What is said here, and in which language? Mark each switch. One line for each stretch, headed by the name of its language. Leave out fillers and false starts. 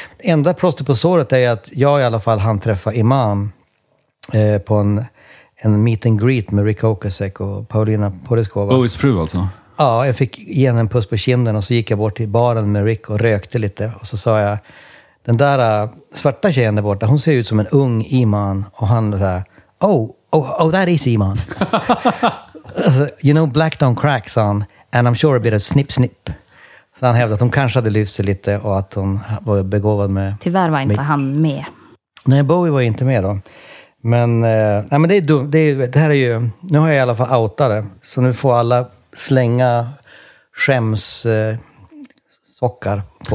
Swedish: Enda plåster på såret är att jag i alla fall hann träffa Imam på en meet and greet med Rick Ocasek och Paulina Poriskova. Bowies fru alltså? Ja, jag fick ge en puss på kinden och så gick jag bort till baren med Rick och rökte lite. Och så sa jag, den där svarta tjejen där borta, hon ser ut som en ung Iman. Och han så här,
English: oh, that is Iman. You know, black don't crack, son, and I'm sure a bit of snip, snip.
Swedish: Så han hävdade att hon kanske hade lyft sig lite och att hon var begåvad med... Tyvärr var inte med. Han med. Nej, Bowie var inte med då. Men det är dumt. Det här är ju... Nu har jag i alla fall outat det. Så nu får alla slänga skämssockar på